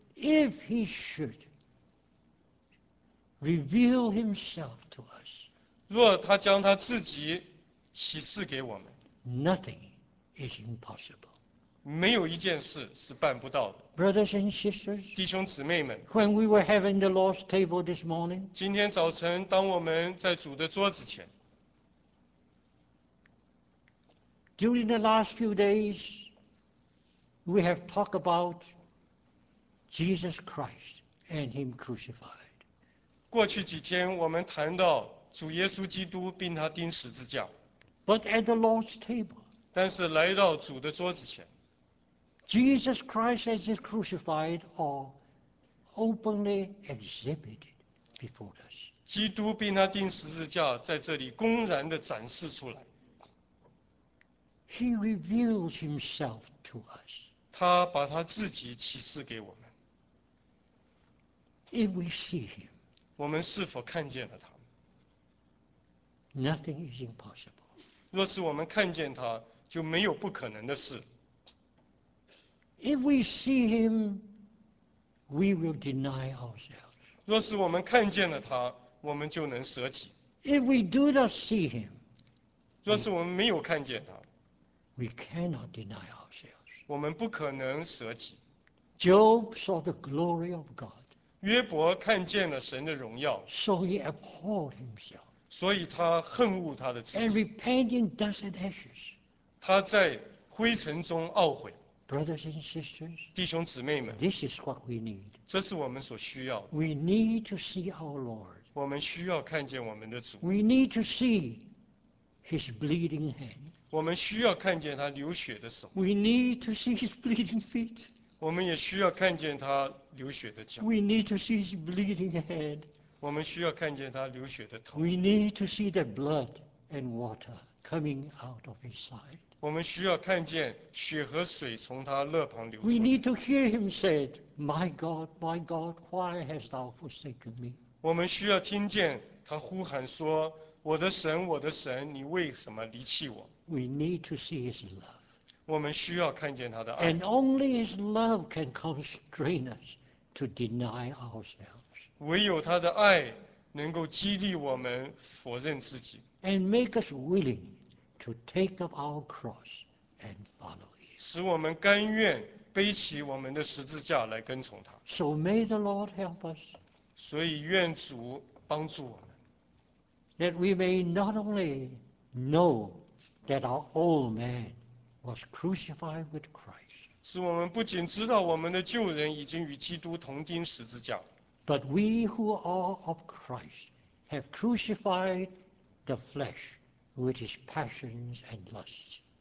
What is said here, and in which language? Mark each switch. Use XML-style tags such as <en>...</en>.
<en>If he should reveal himself to us.</en> <zh>若他将他自己启示给我们。</zh> <en>Nothing is impossible.</en> <zh>没有一件事是办不到的。</zh> <en>Brothers and sisters.</en> <zh>弟兄姊妹们。</zh> <en>When we were having the Lord's table this morning.</en> <zh>今天早晨当我们在主的桌子前。</zh> <en>During the last few days, we have talked about Jesus Christ and him crucified.</en> <zh>过去几天我们谈到主耶稣基督并他钉十字架。</zh> <en>But at the Lord's table.</en> <zh>但是来到主的桌子前。</zh> <en>Jesus Christ as is crucified are openly exhibited before us.</en> <zh>基督并他钉十字架在这里公然地展示出来。</zh> <en>He reveals himself to us.</en> <zh>他把他自己启示给我们。</zh> <en>If we see him,</en> <zh>我们是否看见了他？</zh> <en>Nothing is impossible.</en> <zh>若是我们看见他，就没有不可能的事。</zh> <en>If we see him, we will deny ourselves.</en> <zh>若是我们看见了他，我们就能舍己。</zh> <en>If we do not see him,</en> <zh>若是我们没有看见他，</zh> <en>we cannot deny ourselves.</en> <zh>我们不可能舍己。</zh> <en>Job saw the glory of God.</en> <zh>约伯看见了神的荣耀。</zh> <en>So he abhorred himself.</en> <zh>所以他恨恶他的自己。</zh> <en>And repented in dust and ashes.</en> <zh>他在灰尘中懊悔。</zh> <en>Brothers and sisters,</en> <zh>弟兄姊妹们，</zh> <en>this is what we need.</en> <zh>这是我们所需要的。</zh> <en>We need to see our Lord.</en> <zh>我们需要看见我们的主。</zh> <en>We need to see his bleeding hand.</en> <zh>我们需要看见他流血的手。</zh> <en>We need to see his bleeding feet.</en> <zh>我们也需要看见他流血的脚。</zh> <en>We need to see his bleeding head.</en> <zh>我们需要看见他流血的头。</zh> <en>We need to see the blood and water coming out of his side.</en> <zh>我们需要看见血和水从他肋旁流出。</zh> <en>We need to hear him say, "My God, my God, why hast thou forsaken me?"</en> <zh>我们需要听见他呼喊说，我的神，我的神，你为什么离弃我？</zh> <en>We need to see his love.</en> <zh>我们需要看见他的爱。</zh> <en>And only his love can constrain us to deny ourselves.</en> <zh>唯有他的爱能够激励我们否认自己。</zh> <en>And make us willing. To take up our cross and follow him.</en> <zh>使我们甘愿背起我们的十字架来跟从他。</zh> <en>So may the Lord help us.</en> <zh>所以愿主帮助我们。</zh> <en>That we may not only know that our old man was crucified with Christ.</en> <zh>使我们不仅知道我们的旧人已经与基督同钉十字架。</zh> <en>But we who are of Christ have crucified the flesh. With his passions and lusts.</en>